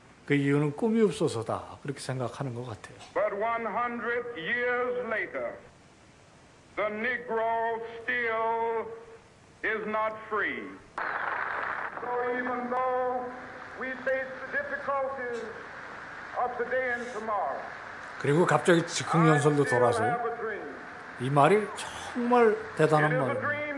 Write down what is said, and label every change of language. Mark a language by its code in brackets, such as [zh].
[ko] 그 이유는 꿈이 없어서다 그렇게 생각하는 것 같아요. [en] But 100 years later, the Negro still is not free. So even though we face the difficulties of today and tomorrow. [ko] 그리고 갑자기 즉흥 연설도 돌아서 이 말이 정말 대단한 말입니다.